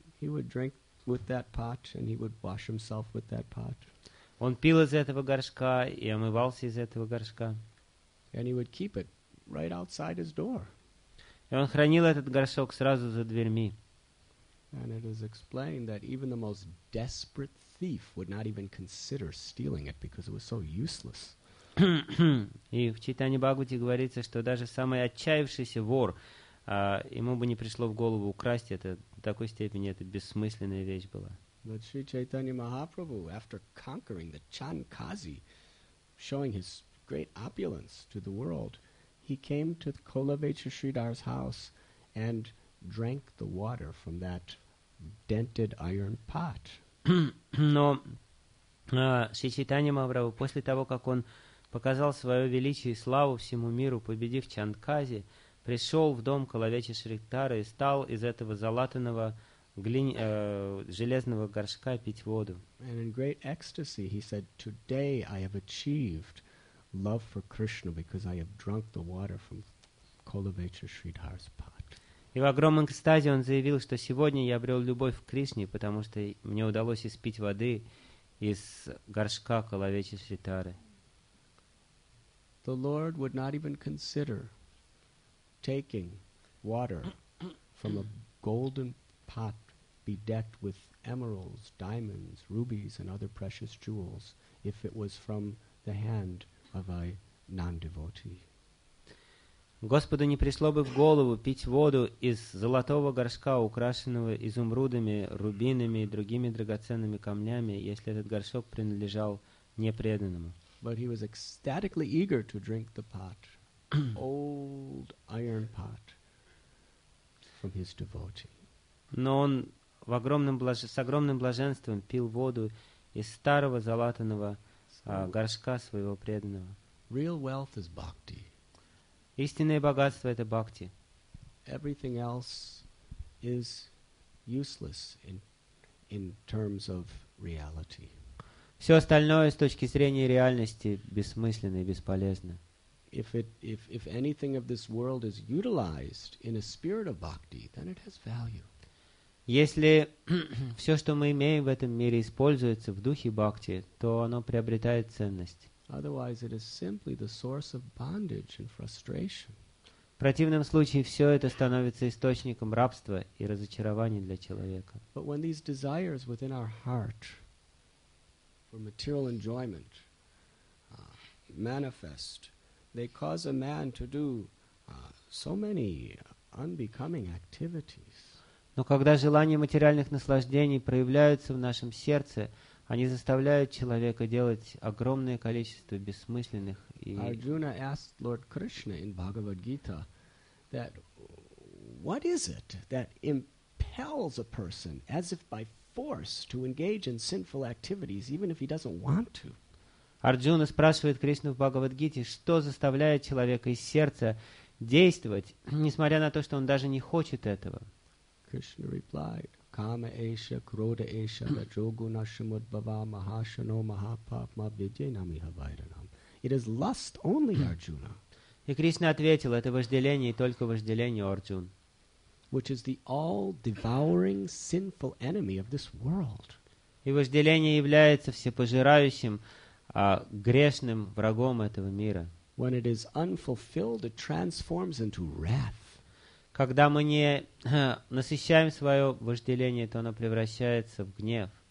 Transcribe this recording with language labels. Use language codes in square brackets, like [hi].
[en] He would drink with that pot and he would wash himself with that pot. [ru] Он пил из этого горшка и омывался из этого горшка. [en] And he would keep it right outside his door. [ru] И он хранил этот горшок сразу за дверьми. [en] And it is explained that even the most desperate thief would not even consider stealing it because it was so useless. [ru] И в Чайтане Бхагавате говорится, что даже самый отчаявшийся вор, ему бы не пришло в голову украсть это, до такой степени это бессмысленная вещь была. [en] But Sri Chaitanya Mahaprabhu, after conquering the Chankazi, showing his great opulence to the world, he came to Kolavecha Sridhar's house and drank the water from that dented iron pot. [ru] Но Sri Chaitanya Mahaprabhu, после того, как он показал свое величие и славу всему миру, победив Чанкази, пришел в дом Коловечи Шридхары и стал из этого залатанного железного горшка пить воду. [en] And in great ecstasy he said, "Today I have achieved love for Krishna because I have drunk the water from Kolavecha Sridhar's pot." [ru] И в огромном экстазе он заявил, что сегодня я обрел любовь к Кришне, потому что мне удалось испить воды из горшка Коловечи Шридхары. [en] The Lord would not even consider taking water from a golden pot bedecked with emeralds, diamonds, rubies, and other precious jewels if it was from the hand of a non-devotee. [ru] Господу не пришло бы в голову пить воду из золотого горшка, украшенного изумрудами, рубинами и другими драгоценными камнями, если этот горшок принадлежал непреданному. [en] But he was ecstatically eager to drink the pot, old iron pot, from his devotee. [ru] Но он в огромном с огромным блаженством пил воду из старого золотаного горшка своего преданного. [en] Real wealth is bhakti. [ru] Истинное богатство — это бхакти. [en] Everything else is useless in terms of reality. [ru] Все остальное с точки зрения реальности бессмысленно и бесполезно. [en] If anything of this world is utilized in a spirit of bhakti, then it has value. [ru] Если все, что мы имеем в этом мире, используется в духе бхакти, то оно приобретает ценность. [en] Otherwise, it is simply the source of bondage and frustration. [ru] В противном случае все это становится источником рабства и разочарования для человека. [en] But when these desires within our heart for material enjoyment manifest, they cause a man to do so many unbecoming activities. [ru] Но когда желания материальных наслаждений проявляются в нашем сердце, они заставляют человека делать огромное количество бессмысленных и... [en] Arjuna asked Lord Krishna in Bhagavad Gita that what is it that impels a person as if by force to engage in sinful activities even if he doesn't want to? [ru] Арджуна спрашивает Кришну в Бхагавад-гите, что заставляет человека из сердца действовать, несмотря на то, что он даже не хочет этого. [en] Krishna replied, [sa] Kama esha, krodha esha, rajoguna shamudbhava, mahashano, mahapapma, vidyanami havairanam. [en] It is lust only, Arjuna. [ru] И Кришна ответил, это вожделение и только вожделение, Арджун. [en] Which is the all-devouring sinful enemy of this world. [ru] И вожделение является всепожирающим, грешным врагом этого мира. [en] When it is unfulfilled, it transforms into wrath. [ru] Когда мы не насыщаем свое вожделение, то оно превращается в гнев.